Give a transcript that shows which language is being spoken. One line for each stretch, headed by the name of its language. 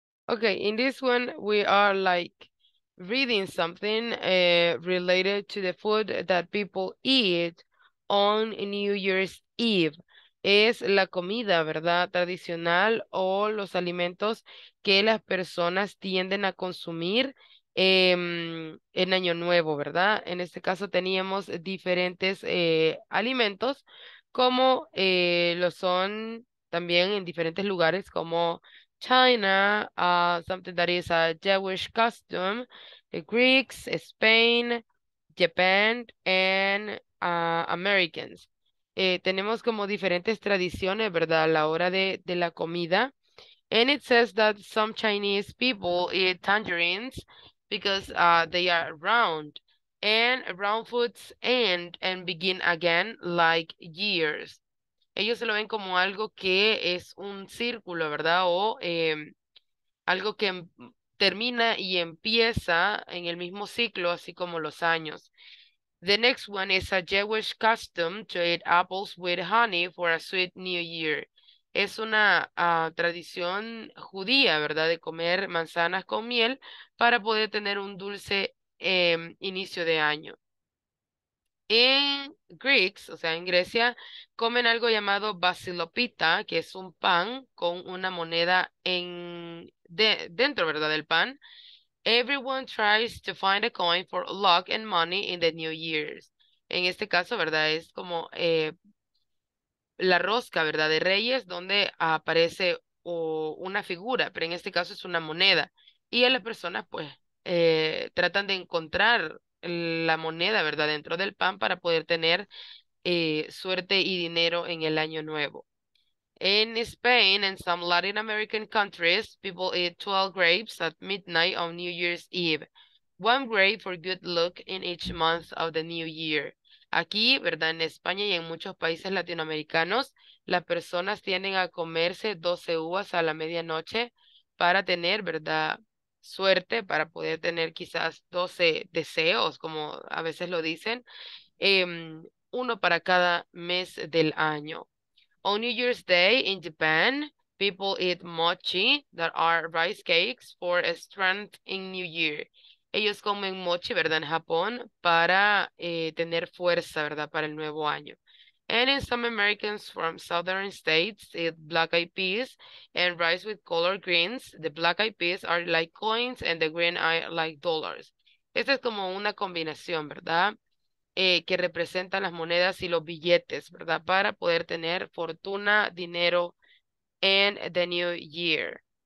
English: Okay, in this one, we are like reading something related to the food that people eat on New Year's Eve.
Spanish: Es la comida, ¿verdad? Tradicional o los alimentos que las personas tienden a consumir en Año Nuevo, ¿verdad? En este caso teníamos diferentes alimentos como lo son también en diferentes lugares como China,
English: something that is a Jewish custom, the Greeks, Spain, Japan, and Americans.
Spanish: Tenemos como diferentes tradiciones, ¿verdad? A la hora de la comida.
English: And it says that some Chinese people eat tangerines because they are round. And round foods end and begin again like years.
Spanish: Ellos se lo ven como algo que es un círculo, ¿verdad? O algo que termina y empieza en el mismo ciclo, así como los años.
English: The next one is a Jewish custom to eat apples with honey for a sweet New Year.
Spanish: Es una tradición judía, ¿verdad? De comer manzanas con miel para poder tener un dulce inicio de año. En Greeks, o sea, en Grecia, comen algo llamado basilopita, que es un pan con una moneda dentro, ¿verdad? Del pan.
English: Everyone tries to find a coin for luck and money in the New Year's.
Spanish: En este caso, ¿verdad? Es como la rosca, ¿verdad? De Reyes, donde aparece una figura, pero en este caso es una moneda. Y las personas, pues, tratan de encontrar la moneda, ¿verdad? Dentro del pan para poder tener suerte y dinero en el año nuevo.
English: In Spain and some Latin American countries, people eat 12 grapes at midnight on New Year's Eve. One grape for good luck in each month of the New Year.
Spanish: Aquí, ¿verdad? En España y en muchos países latinoamericanos, las personas tienden a comerse 12 uvas a la medianoche para tener, ¿verdad? Suerte, para poder tener quizás 12 deseos, como a veces lo dicen, uno para cada mes del año.
English: On New Year's Day in Japan, people eat mochi, that are rice cakes, for strength in New Year.
Spanish: Ellos comen mochi, ¿verdad?, en Japón, para tener fuerza, ¿verdad?, para el nuevo año.
English: And in some Americans from southern states, eat black-eyed peas and rice with colored greens. The black-eyed peas are like coins and the green eye like dollars.
Spanish: Esta es como una combinación, ¿verdad?, que representan las monedas y los billetes, ¿verdad?, para poder tener fortuna, dinero en
English: the new year.